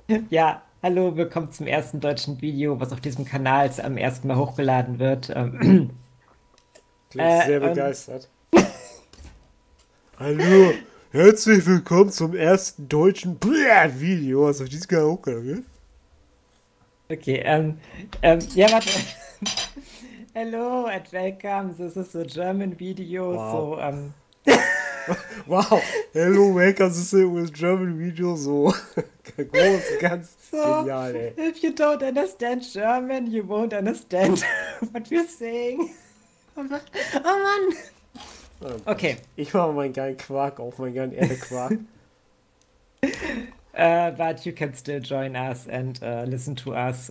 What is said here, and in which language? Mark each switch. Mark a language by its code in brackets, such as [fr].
[de] Ja, hallo, willkommen zum ersten deutschen Video, was auf diesem Kanal zum ersten Mal hochgeladen wird. Klingt sehr begeistert. Hallo, herzlich willkommen zum ersten deutschen Video, was auf diesem Kanal hochgeladen wird. Okay, ja, warte. [en] Hello and welcome, this is a German video, Wow. so, Wow, hello, welcome to the German video. [de] So groß, ganz [en] So, [de] genial, ey. [en] if you don't understand German, you won't understand what we're saying. [de] Oh Mann! Oh Gott, Okay. ich mache meinen geilen Quark auf, meinen geilen Erde-Quark. [en] But you can still join us and listen to us.